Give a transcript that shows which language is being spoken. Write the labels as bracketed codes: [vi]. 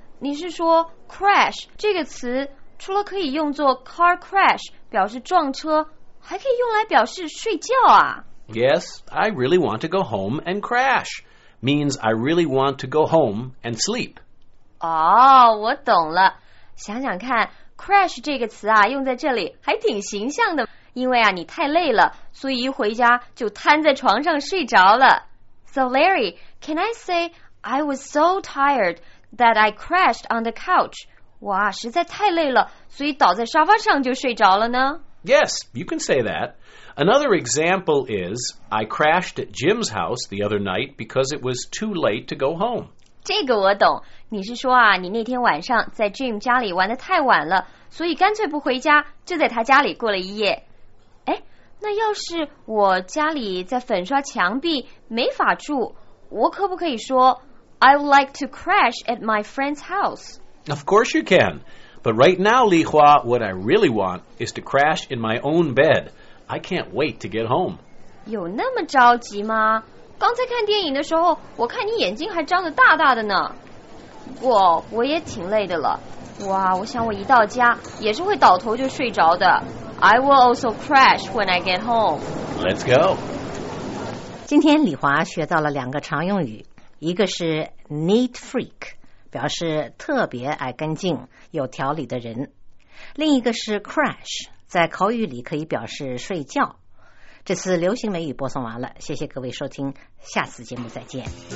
[zh] 你是说 crash 这个词除了可以用作 car crash 表示撞车，还可以用来表示睡觉啊？ [en] Yes, I really want to go home and crash. Means I really want to go home and sleep. [zh] 哦，我懂了。想想看 ，crash 这个词啊，用在这里还挺形象的。因为啊，你太累了，所以一回家就瘫在床上睡着了。 [en] So Larry, can I say I was so tired that I crashed on the couch? [zh] 哇，实在太累了，所以倒在沙发上就睡着了呢？ [en] Yes, you can say that. Another example is, I crashed at Jim's house the other night because it was too late to go home. [zh] 这个我懂。你是说啊，你那天晚上在 Jim 家里玩得太晚了，所以干脆不回家，就在他家里过了一夜。哎，那要是我家里在粉刷墙壁，没法住，我可不可以说 [en] I would like to crash at my friend's house? Of course you can. But right now, Li Hua, what I really want is to crash in my own bed. I can't wait to get home. [zh] 有那么着急吗？刚才看电影的时候，我看你眼睛还张得大大的呢。哇，我也挺累的了。哇，我想我一到家也是会倒头就睡着的。 [en] I will also crash when I get home. Let's go. [zh] 今天李华学到了两个常用语，一个是 neat freak， 表示特别爱干净、有条理的人；另一个是 crash。在口语里可以表示睡觉。这次流行美语播送完了，谢谢各位收听，下次节目再见。